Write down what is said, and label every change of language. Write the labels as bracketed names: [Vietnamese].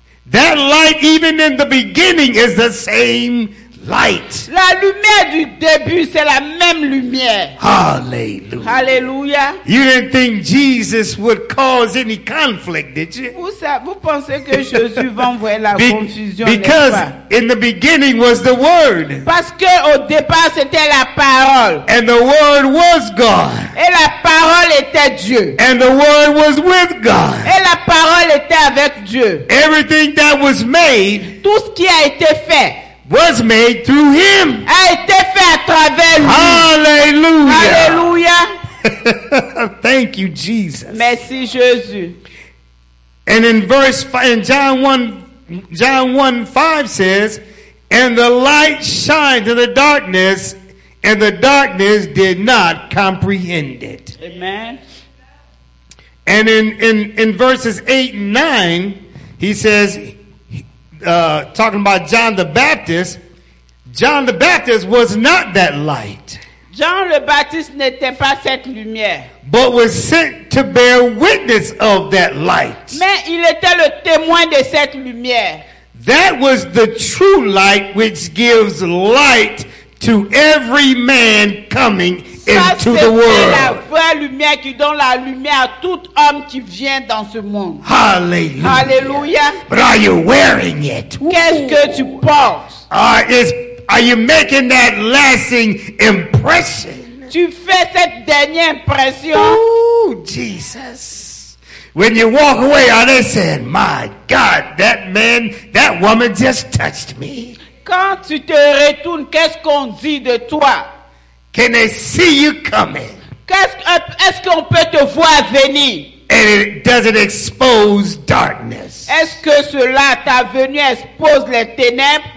[English] That light, even in the beginning, is the same light. [French] La lumière du début, c'est la même lumière. Hallelujah. Hallelujah. [English] You didn't think Jesus would cause any conflict, did you? [French] Vous pensez que Jésus va envoyer la confusion? [English] Because in the beginning was the Word. [French] Parce que au départ c'était la parole. [English] And the Word was God. [French] Et la parole était Dieu. [English] And the Word was with God. [French] Et la parole était avec Dieu. [English] Everything that was made. [French] Tout ce qui a été fait. [English] Was made through him. [French] A été fait à travers lui. Hallelujah. Hallelujah. [English] Thank you, Jesus. [French] Merci, Jésus. [English] And in verse 5, in John 1:5 says, and the light shined in the darkness, and the darkness did not comprehend it. Amen. And in verses 8 and 9, he says, talking about John the Baptist. John the Baptist was not that light. [French] John le Baptiste n'était pas cette lumière. [English] But was sent to bear witness of that light. [French] Mais il était le témoin de cette lumière. [English] That was the true light which gives light to every man coming into the world. [French] C'est la vraie lumière qui donne la lumière à tout homme qui vient dans ce monde. Hallelujah. Hallelujah. [English] But are you wearing it? [French] Qu'est-ce que tu portes? [English] Are you making that lasting impression? [French] Tu fais cette dernière impression. [English] Oh, Jesus. When you walk away, are they saying, my God, that man, that woman just touched me? [French] Quand tu te retournes, qu'est-ce qu'on dit de toi? [English] Can they see you coming? [French] Est-ce qu'on peut te voir venir? [English] And does it expose darkness? [French] Est-ce que cela, ta venue, expose les ténèbres?